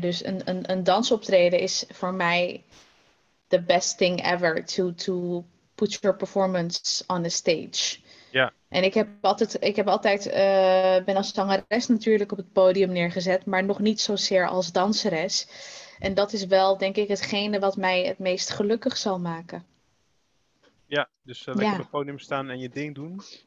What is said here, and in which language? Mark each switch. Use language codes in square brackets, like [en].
[nl] Dus een dansoptreden is voor mij [en] the best thing ever. To put your performance on the stage. [nl] Ja. En ik heb altijd ben als zangeres natuurlijk op het podium neergezet. Maar nog niet zozeer als danseres. En dat is wel, denk ik, hetgene wat mij het meest gelukkig zal maken. Ja, dus lekker ja. op het podium staan en je ding doen.